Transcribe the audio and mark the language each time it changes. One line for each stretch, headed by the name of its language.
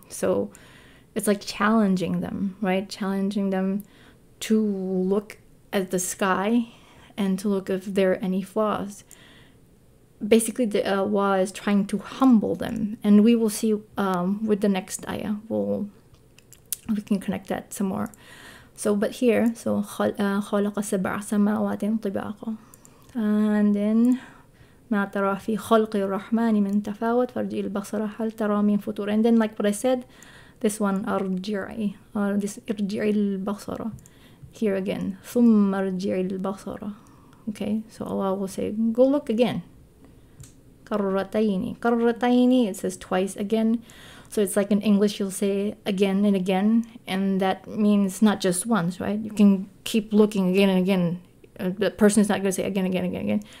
English: So it's like challenging them, right? Challenging them to look at the sky and to look if there are any flaws. Basically, the Allah is trying to humble them. And we will see with the next ayah. We can connect that some more. So, but here, so,
Arabic: خَلَقَ سَبْعَ سَمَاوَاتٍ طِبَاقًا.
English: And then,
Arabic: مَا تَرَى فِي خَلْقِ الرَّحْمَنِ مِنْ تَفَاوَتْ فَرْجِي الْبَصَرَ حَلْ تَرَى مِنْ فُطُورٍ.
English: And then, like what I said, this one,
Arabic: ارْجِعِ الْبَصَرَ.
English: Here again,
Arabic: ثُمَّ ارْجِعِ الْبَصَرَ.
English: Okay, so Allah will say, go look again.
Arabic: كَرَّتَيْنِ, كَرَّتَيْنِ,
English: it says twice again. So it's like in English, you'll say again and again, and that means not just once, right? You can keep looking again and again. The person is not going to say again, again, again, again.